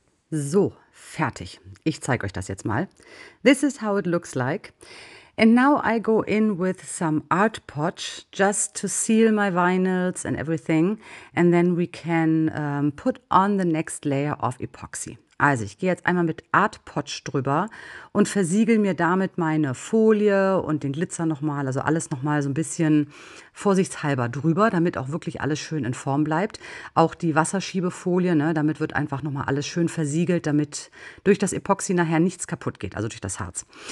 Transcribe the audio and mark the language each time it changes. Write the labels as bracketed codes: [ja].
[de] So, fertig. Ich zeige euch das jetzt mal. [en] This is how it looks like. And now I go in with some art potch just to seal my vinyls and everything. And then we can put on the next layer of epoxy. [de] Also ich gehe jetzt einmal mit Art Potch drüber und versiegel mir damit meine Folie und den Glitzer nochmal, also alles nochmal so ein bisschen vorsichtshalber drüber, damit auch wirklich alles schön in Form bleibt. Auch die Wasserschiebefolie, ne, damit wird einfach nochmal alles schön versiegelt, damit durch das Epoxy nachher nichts kaputt geht, also durch das Harz.